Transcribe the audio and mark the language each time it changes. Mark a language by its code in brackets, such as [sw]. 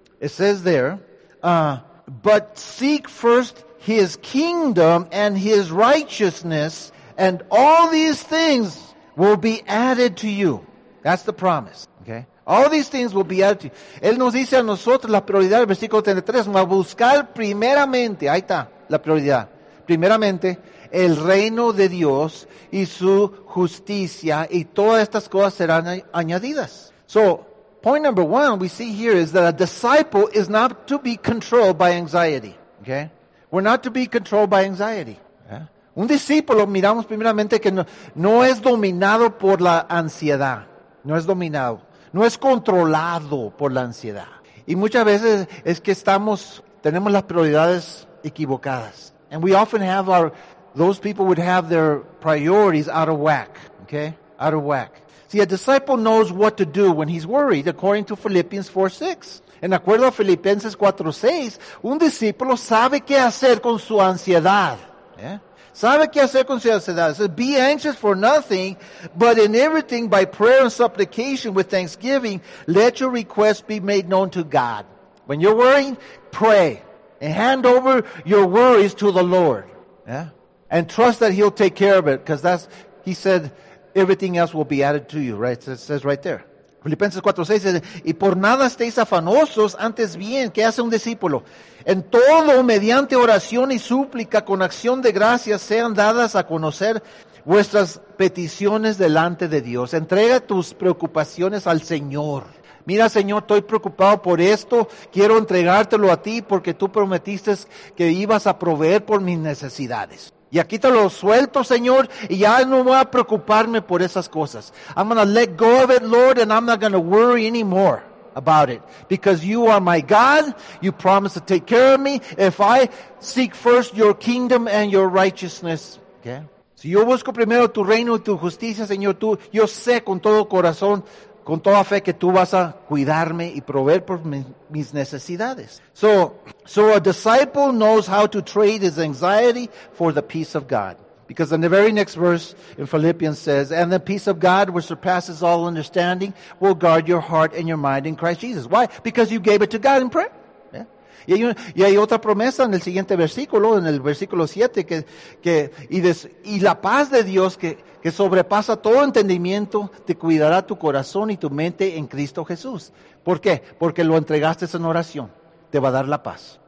[en] It says there, but seek first his kingdom and his righteousness, and all these things will be added to you. That's the promise. Okay? All these things will be added to you. [es] Él nos dice a nosotros la prioridad del versículo 33. Va a buscar primeramente. Ahí está la prioridad. Primeramente, el reino de Dios y su justicia, y todas estas cosas serán añadidas. [en] So, point number one we see here is that a disciple is not to be controlled by anxiety. Okay? We're not to be controlled by anxiety. Yeah. [es] Un discípulo, miramos primeramente que no es dominado por la ansiedad. No es dominado. No es controlado por la ansiedad. Y muchas veces es que tenemos las prioridades equivocadas. [en] And we often have those people would have their priorities out of whack, okay? Out of whack. See, a disciple knows what to do when he's worried, according to Philippians 4:6. [es] En acuerdo a Filipenses 4:6, un discípulo sabe qué hacer con su ansiedad. Yeah? Sabe qué hacer con su ansiedad. [en] It says, be anxious for nothing, but in everything by prayer and supplication with thanksgiving, let your requests be made known to God. When you're worrying, pray. And hand over your worries to the Lord. Yeah? And trust that he'll take care of it. Because that's, he said, everything else will be added to you. Right? It says right there. [es] Filipenses 4:6 says, y por nada estéis afanosos, antes bien, ¿qué hace un discípulo? En todo, mediante oración y súplica, con acción de gracias, sean dadas a conocer vuestras peticiones delante de Dios. Entrega tus preocupaciones al Señor. Mira, Señor, estoy preocupado por esto. Quiero entregártelo a ti porque tú prometiste que ibas a proveer por mis necesidades. Y aquí te lo suelto, Señor, y ya no voy a preocuparme por esas cosas. [en] I'm going to let go of it, Lord, and I'm not going to worry anymore about it. Because you are my God. You promised to take care of me. If I seek first your kingdom and your righteousness. Okay. [es] Si yo busco primero tu reino y tu justicia, Señor, yo sé con todo corazón, con toda fe, que tú vas a cuidarme y proveer por mis necesidades. [en] So a disciple knows how to trade his anxiety for the peace of God. Because in the very next verse in Philippians says, and the peace of God which surpasses all understanding will guard your heart and your mind in Christ Jesus. Why? Because you gave it to God in prayer. Yeah. [es] Y hay otra promesa en el siguiente versículo, en el versículo 7, que la paz de Dios que sobrepasa todo entendimiento, te cuidará tu corazón y tu mente en Cristo Jesús. ¿Por qué? Porque lo entregaste en oración. Te va a dar la paz.